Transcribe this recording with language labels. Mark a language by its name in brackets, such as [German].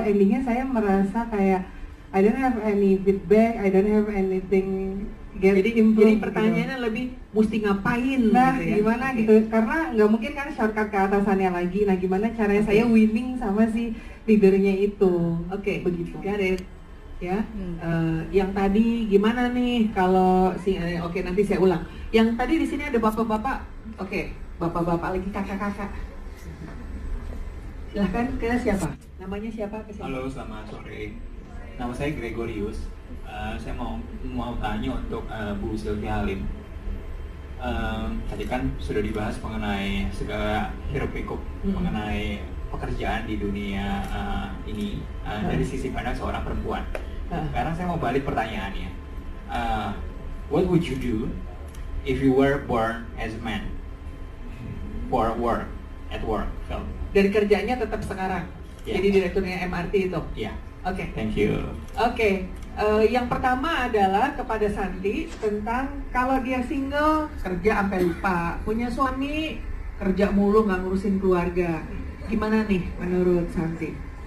[Indonesian] Endingnya saya merasa kayak [English] I don't have any feedback, I don't have anything [Indonesian] get jadi improved. Jadi pertanyaannya gitu, lebih mesti ngapain? Nah gitu ya, gimana okay, gitu? Karena nggak mungkin kan shortcut ke atasannya lagi. Nah gimana caranya okay, saya winning sama si leadernya itu? Oke, okay, begitu. [English] Got it. [Indonesian] Ya, yang tadi gimana nih kalau si oke, nanti saya ulang. Yang tadi di sini ada bapak-bapak, oke, bapak-bapak lagi kakak-kakak. Silahkan ke siapa? Namanya siapa? Halo, selamat sore. Nama saya Gregorius. Saya mau tanya untuk Bu Sylvia Halim. tadi kan sudah dibahas mengenai segala hiruk pikuk mengenai pekerjaan di dunia ini dari sisi pandang seorang perempuan. Sekarang saya mau balik pertanyaannya. [English] What would you do if you were born as a man for work at work? [Indonesian] Dari kerjanya tetap sekarang. Yeah. Jadi direkturnya MRT itu. Iya. Yeah. Oke. Okay. [English] Thank you. [Indonesian] Oke. Yang pertama adalah kepada Santi tentang kalau dia single kerja sampai lupa, punya suami kerja mulu nggak ngurusin keluarga, gimana nih menurut Santi?